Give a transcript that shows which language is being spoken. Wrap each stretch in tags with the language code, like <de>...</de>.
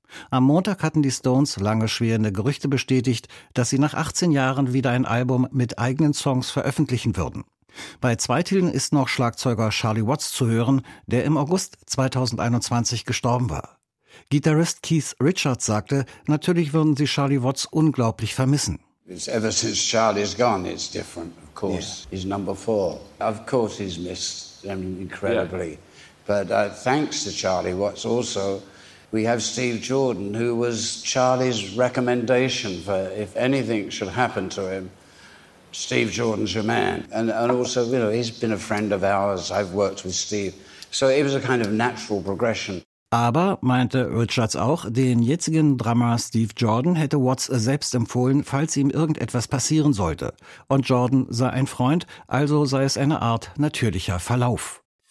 <de>Am Montag hatten die Stones lange schwelende Gerüchte bestätigt, dass sie nach 18 Jahren wieder ein Album mit eigenen Songs veröffentlichen würden. Bei zwei Titeln ist noch Schlagzeuger Charlie Watts zu hören, der im August 2021 gestorben war. Gitarrist Keith Richards sagte, natürlich würden sie Charlie Watts unglaublich vermissen.</de> <en>It's ever since Charlie's gone, it's different, of course. Yeah. He's number four. Of course he's missed them incredibly. Yeah. But thanks to Charlie Watts also, we have Steve Jordan, who was Charlie's recommendation for if anything should happen to him. Steve Jordan's your man. And also, you know, he's been a friend of ours. I've worked with Steve. So it was a kind of natural progression.</en> <de>Aber, meinte Richards auch, den jetzigen Drummer Steve Jordan hätte Watts selbst empfohlen, falls ihm irgendetwas passieren sollte. Und Jordan sei ein Freund, also sei es eine Art natürlicher Verlauf.</de>